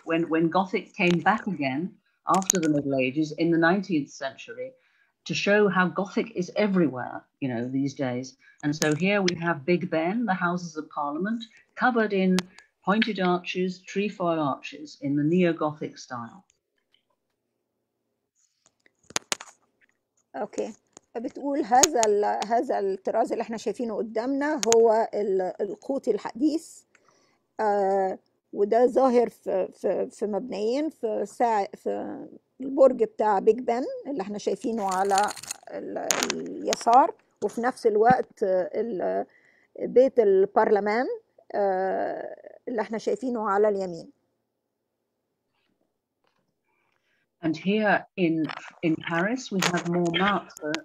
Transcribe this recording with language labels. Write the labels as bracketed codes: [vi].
[en] When Gothic came back again after the Middle Ages in the 19th century, to show how Gothic is everywhere, you know, these days. And so here we have Big Ben, the Houses of Parliament, covered in pointed arches, trefoil arches in the neo-Gothic style. Okay. [ar] بتقول هذا الطراز اللي احنا شايفينه قدامنا هو القوطي الحديث وده ظاهر في مبنيين في البرج بتاع بيج بن اللي احنا شايفينه على اليسار وفي نفس الوقت بيت البرلمان اللي احنا شايفينه على اليمين. [en] And here in Paris we have more marks.